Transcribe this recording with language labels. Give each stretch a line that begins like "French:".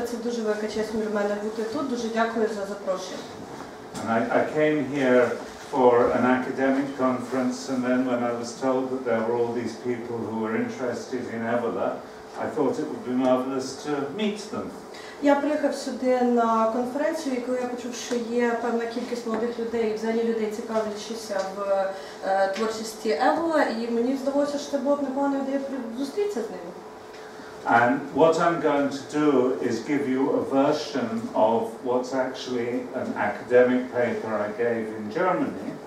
Ukrainian: Це дуже велика честь для мене бути тут. Дуже дякую за запрошення.
English: And I came here for an academic conference, and then when I was told that there were all these people who were interested in Evola, I thought it would be marvelous to meet them.
Ukrainian: Я приїхав сюди на конференцію, яку я почув, що є певна кількість молодих людей, взагалі людей, цікавлячися в творчості Евола, і мені здалося, що це було б непогано ідея зустрітися з ними.
English: And what I'm going to do is give you a version of what's actually an academic paper I gave in Germany.